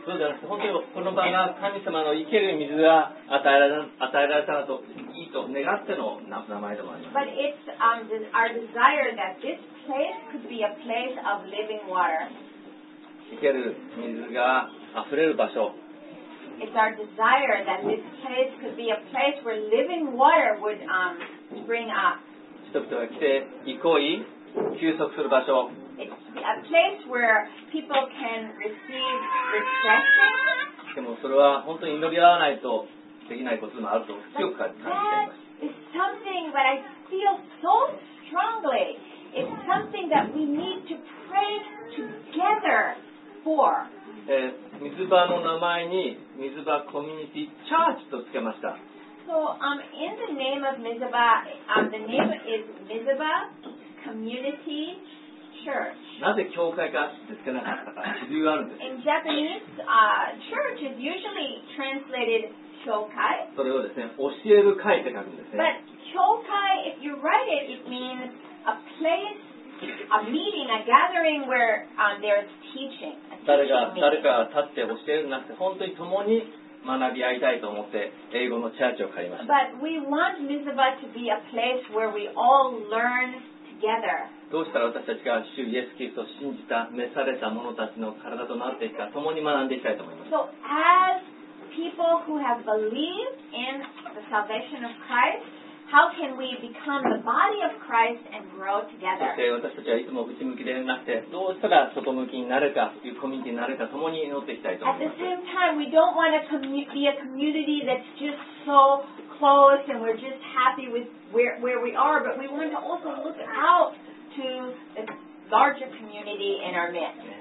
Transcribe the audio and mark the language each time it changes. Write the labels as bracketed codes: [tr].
[ja] そうじゃなくて、本当にこの場が神様の生ける水が与えられたらといいと願っての名前でもあります。 [en] But it's, our desire that this place could be a place of living water. [ja] 生ける水が溢れる場所。 [en] It's our desire that this place could be a place where living water would, spring up. [ja] 人々が来て、憩い、休息する場所。 [en] It's a place where people can receive refreshing. [ja] でもそれは本当に祈り合わないとできないことでもあると強く感じています。 [en] That is something that I feel so strongly. It's something that we need to pray together for. [ja] 水場の名前に水場コミュニティチャーチとつけました。 [en] So, in the name of Mizuba, the name is Mizuba Community. [ja] なぜ教会かってつけなかったか理由があるんです。 [en] In Japanese, church is usually translated 教会。 [ja] それをですね、教える会って書くんですね。 [en] But 教会, if you write it, it means a place, a meeting, a gathering where, there's teaching. [ja] 誰か立って教えるんじゃなくて、本当に共に学び合いたいと思って英語のチャーチを買いました。 [en] But we want Mizuba to be a place where we all learn together. [ja] どうしたら私たちが主イエスキリストを信じた召された者たちの体となっていくか共に学んでいきたいと思います。 [en] So as people who have believed in the salvation of Christ, how can we become the body of Christ and grow together? [ja] 私たちはいつも内向きでなくて、どうしたら外向きになるかというコミュニティになるか共に祈っていきたいと思います。 [en] At the same time, we don't want to be a community that's just so close and we're just happy with where we are, but we want to also look out. To the larger community in our midst.